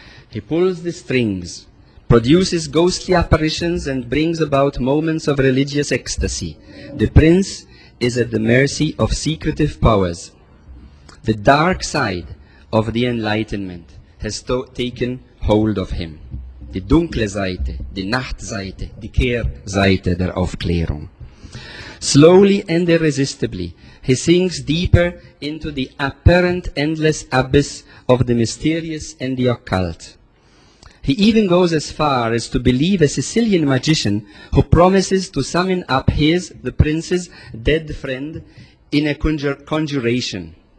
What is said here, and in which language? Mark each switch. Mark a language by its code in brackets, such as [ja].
[en] He pulls the strings, produces ghostly apparitions, and brings about moments of religious ecstasy. The prince is at the mercy of secretive powers. The dark side of the Enlightenment has taken hold of him. [de] Die dunkle Seite, die Nachtseite, die Kehrseite der Aufklärung. [en] Slowly and irresistibly, he sinks deeper into the apparent endless abyss of the mysterious and the occult. He even goes as far as to believe a Sicilian magician who promises to summon up his, the prince's, dead friend in a conjuration.